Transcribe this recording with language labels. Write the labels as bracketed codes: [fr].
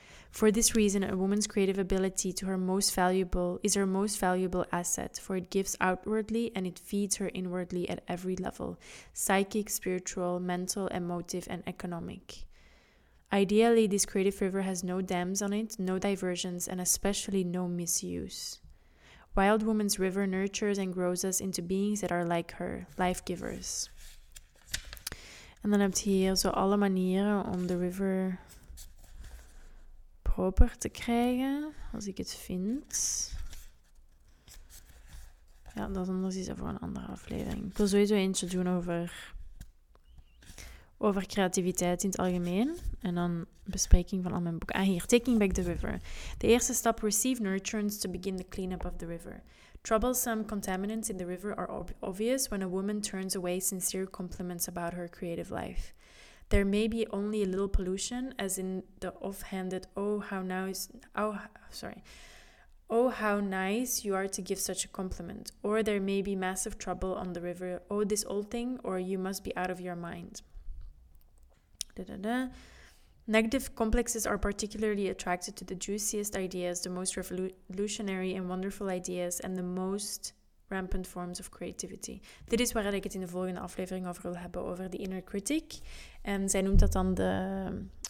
[en] For this reason, a woman's creative ability is her most valuable asset, for it gives outwardly and it feeds her inwardly at every level, psychic, spiritual, mental, emotive, and economic. Ideally, this creative river has no dams on it, no diversions, and especially no misuse. Wild Woman's River nurtures and grows us into beings that are like her, life givers. [nl] En dan heb je hier zo alle manieren om de river proper te krijgen, als ik het vind. Ja, dat anders is voor een andere aflevering. Ik wil sowieso eentje doen over creativiteit in het algemeen. En dan bespreking van al mijn boeken. Ah, hier. [en] Taking back the river. [nl] De eerste stap. [en] Receive nurturance to begin the cleanup of the river. Troublesome contaminants in the river are obvious when a woman turns away sincere compliments about her creative life. There may be only a little pollution, as in the offhanded, oh, how nice you are to give such a compliment. Or there may be massive trouble on the river. Oh, this old thing, or you must be out of your mind. Negative complexes are particularly attracted to the juiciest ideas, the most revolutionary and wonderful ideas, and the most rampant forms of creativity. [nl] Dit is waar ik het in de volgende aflevering over wil hebben, over de inner critic. En zij noemt dat dan de...